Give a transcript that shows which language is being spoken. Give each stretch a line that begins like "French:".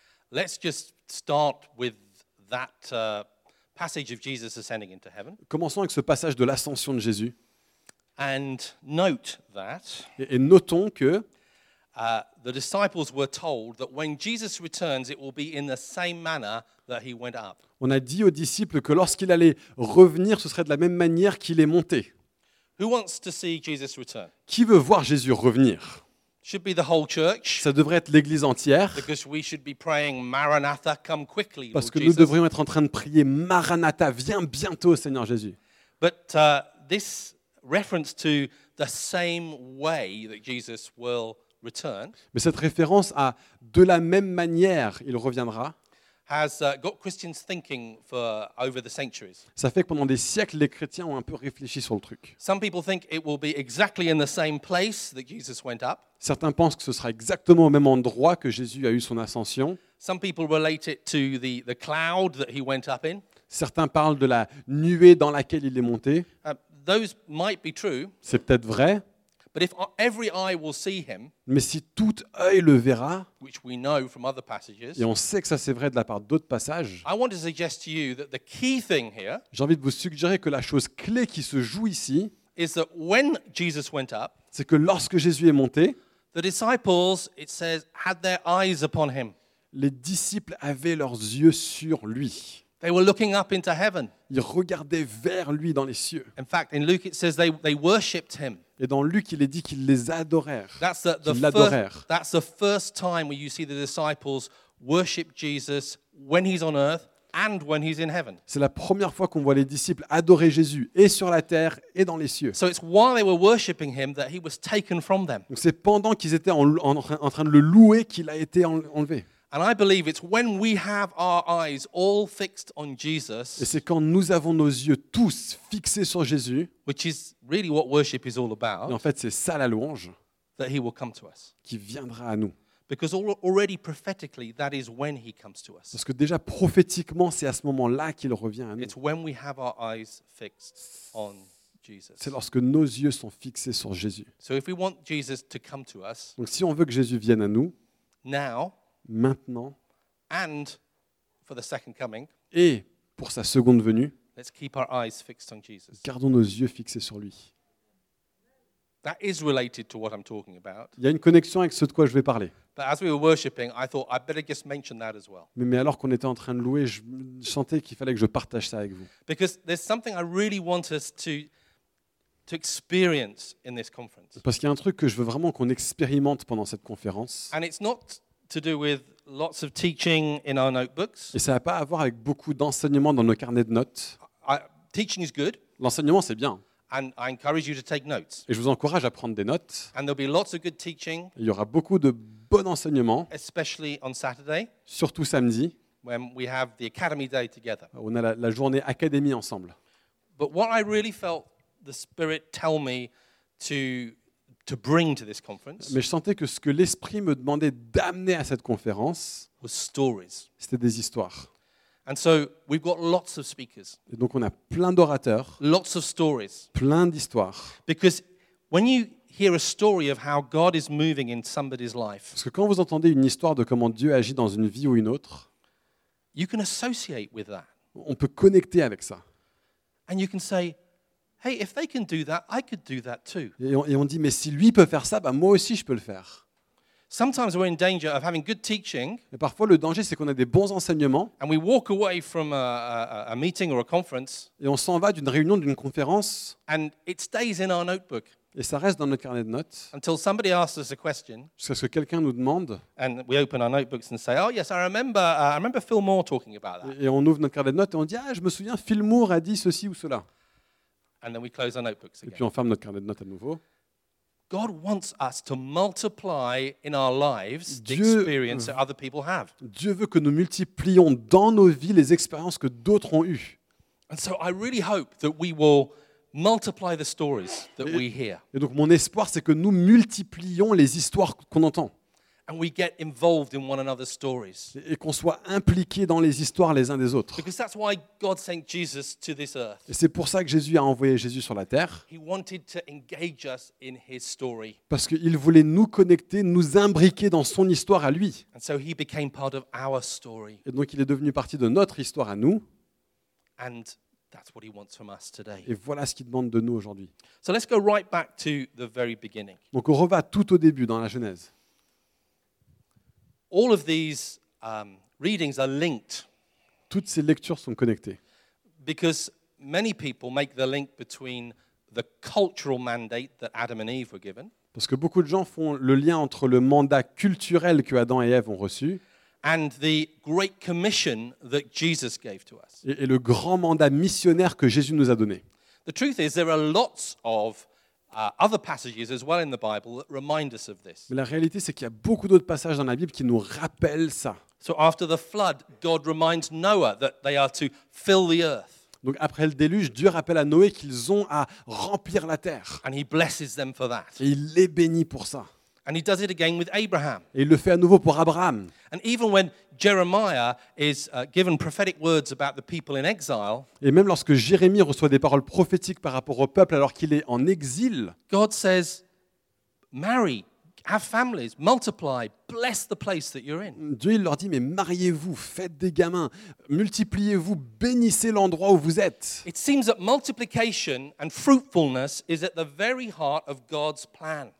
English: let's just start with that passage of Jesus ascending into heaven.
French: Commençons avec ce passage de l'ascension de Jésus.
English: And note that.
French: Et notons que.
English: The disciples were told that when Jesus returns, it will be in the same manner that he went up.
French: On a dit aux disciples que lorsqu'il allait revenir, ce serait de la même manière qu'il est monté.
English: Who wants to see Jesus return?
French: Qui veut voir Jésus revenir?
English: Should be the whole church.
French: Ça devrait être l'église entière.
English: Because we should be praying, Maranatha, come quickly, Lord.
French: Parce que nous devrions être en train de prier, Maranatha, viens bientôt, Seigneur Jésus.
English: But this reference to the same way that Jesus will return.
French: Mais cette référence à de la même manière, il reviendra.
English: Has got Christians thinking for over the centuries.
French: Ça fait que pendant des siècles, les chrétiens ont un peu réfléchi sur le truc.
English: Some people think it will be exactly in the same place that Jesus went up.
French: Certains pensent que ce sera exactement au même endroit que Jésus a eu son ascension.
English: Some people relate it to the cloud that he went up in.
French: Certains parlent de la nuée dans laquelle il est monté.
English: Those might be true.
French: C'est peut-être vrai.
English: But if every eye will see him,
French: mais si tout œil le verra,
English: which we know from other passages,
French: et on sait que ça c'est vrai de la part d'autres passages,
English: I want to suggest to you that the key thing here,
French: j'ai envie de vous suggérer que la chose clé qui se joue ici,
English: is that when Jesus went up,
French: c'est que lorsque Jésus est monté,
English: the disciples, it says, had their eyes upon him.
French: Les disciples avaient leurs yeux sur lui.
English: They were looking up into heaven.
French: Ils regardaient vers lui dans les cieux.
English: In fact, in Luke it says they worshipped him.
French: Et dans Luc, il est dit qu'ils les adorèrent.
English: That's the first time where you see the disciples worship Jesus when he's on earth and when he's in heaven.
French: C'est la première fois qu'on voit les disciples adorer Jésus et sur la terre et dans les cieux.
English: So it's while they were worshipping him that he was taken from them.
French: Donc c'est pendant qu'ils étaient en train de le louer qu'il a été enlevé.
English: And I believe it's when we have our eyes all fixed on Jesus.
French: Et c'est quand nous avons nos yeux tous fixés sur Jésus.
English: Which is really what worship is all about.
French: Et en fait, c'est ça la louange.
English: That he will come to us.
French: Qui viendra à nous.
English: Because already prophetically, that is when he comes to us.
French: Parce que déjà prophétiquement, c'est à ce moment-là qu'il revient à nous.
English: It's when we have our eyes fixed on Jesus.
French: C'est lorsque nos yeux sont fixés sur Jésus.
English: So if we want Jesus to come to us.
French: Donc si on veut que Jésus vienne à nous.
English: Now.
French: Maintenant,
English: and for the second coming,
French: et pour sa seconde venue,
English: let's keep our eyes fixed on Jesus.
French: Gardons nos yeux fixés sur lui.
English: That is related to what I'm talking about.
French: Il y a une connexion avec ce de quoi je vais parler.
English: But as we were worshiping, I thought I better just mention that as well.
French: Mais alors qu'on était en train de louer, je sentais qu'il fallait que je partage ça avec vous.
English: Because there's something I really want us to experience in this conference.
French: Parce qu'il y a un truc que je veux vraiment qu'on expérimente pendant cette conférence.
English: And it's not to do with lots of teaching in our notebooks.
French: Et ça n'a pas à voir avec beaucoup d'enseignement dans nos carnets de notes.
English: Teaching is good.
French: L'enseignement, c'est bien.
English: And I encourage you to take notes.
French: Et je vous encourage à prendre des notes.
English: And there'll be lots of good teaching.
French: Il y aura beaucoup de bon enseignement.
English: Especially on Saturday.
French: Surtout samedi.
English: When we have the Academy Day together.
French: On a la journée académie ensemble.
English: But what I really felt the Spirit tell me to bring to this conference.
French: Mais je sentais que ce que l'esprit me demandait d'amener à cette conférence
English: was stories.
French: C'était des histoires.
English: And so we've got lots of speakers.
French: Et donc on a plein d'orateurs.
English: Lots of stories.
French: Plein d'histoires.
English: Because when you hear a story of how God is moving in somebody's life.
French: Parce que quand vous entendez une histoire de comment Dieu agit dans une vie ou une autre,
English: you can associate with that.
French: On peut connecter avec ça.
English: And you can say, hey, if they can do that, I could do that too.
French: Et on dit, mais si lui peut faire ça, bah moi aussi je peux le faire.
English: Sometimes we're in danger of having good teaching.
French: Et parfois le danger c'est qu'on a des bons enseignements.
English: And we walk away from a meeting or a conference.
French: Et on s'en va d'une réunion, d'une conférence.
English: And it stays in our notebook.
French: Et ça reste dans notre carnet de notes.
English: Until somebody asks us a question.
French: Jusqu'à ce que quelqu'un nous demande.
English: And we open our notebooks and say, oh yes, I remember Phil Moore talking about that.
French: Et on ouvre notre carnet de notes et on dit, ah, je me souviens, Phil Moore a dit ceci ou cela.
English: And then we close our notebooks again.
French: Et puis on ferme notre carnet de notes à nouveau.
English: God wants us to multiply in our lives the experience that other people have.
French: Dieu veut que nous multiplions dans nos vies les expériences que d'autres ont eues.
English: And so I really hope that we will multiply the stories that we hear.
French: Et donc mon espoir c'est que nous multiplions les histoires qu'on entend.
English: And we get involved in one another's stories.
French: Et qu'on soit impliqués dans les histoires les uns des autres.
English: Because that's why God sent Jesus to this earth.
French: Et c'est pour ça que Jésus a envoyé Jésus sur la terre.
English: He wanted to engage us in his story.
French: Parce qu'il voulait nous connecter, nous imbriquer dans son histoire à lui.
English: And so he became part of our story.
French: Et donc il est devenu partie de notre histoire à nous.
English: And that's what he wants from us today.
French: Et voilà ce qu'il demande de nous aujourd'hui.
English: So let's go right back to the very beginning.
French: Donc on revient tout au début dans la Genèse.
English: All of these readings are linked.
French: Toutes ces lectures sont connectées.
English: Because many people make the link between the cultural mandate that Adam and Eve were given.
French: Parce que beaucoup de gens font le lien entre le mandat culturel que Adam et Ève ont reçu.
English: And the great commission that Jesus gave to us.
French: Et le grand mandat missionnaire que Jésus nous a donné.
English: The truth is, there are lots of other passages as well in the Bible that remind us of this.
French: Mais la réalité, c'est qu'il y a beaucoup d'autres passages dans la Bible qui nous rappellent ça.
English: So after the flood, God reminds Noah that they are to fill the earth.
French: Donc après le déluge, Dieu rappelle à Noé qu'ils ont à remplir la terre.
English: And he blesses them for that.
French: Et il les bénit pour ça.
English: And he does it again with Abraham.
French: Et il le fait à nouveau pour Abraham.
English: And even when Jeremiah is given prophetic words about the people in exile,
French: et même lorsque Jérémie reçoit des paroles prophétiques par rapport au peuple alors qu'il est en exil,
English: God says, marry, have families, multiply, bless the place that you're in.
French: Dieu leur dit, mais mariez-vous, faites des gamins, multipliez-vous, bénissez l'endroit où vous êtes.
English: It seems that multiplication and fruitfulness is at the very heart of God's plan.